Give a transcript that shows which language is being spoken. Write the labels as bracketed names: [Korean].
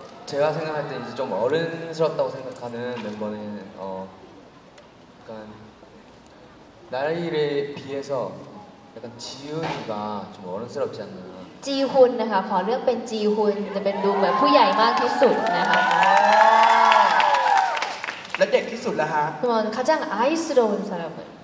[Korean] 제가 생각할 때 이제 좀 어른스럽다고 생각하는 멤버는 약간 나이를 비해서 약간 지훈이가 좀 어른스럽지 않나. [Thai] 지훈นะคะ ขอเลือกเป็นจีฮุน จะเป็นดูเหมือนผู้ใหญ่มากที่สุด นะคะ แล้วเด็กที่สุดล่ะฮะ [Korean] คุณ가장 아이스러운 사람은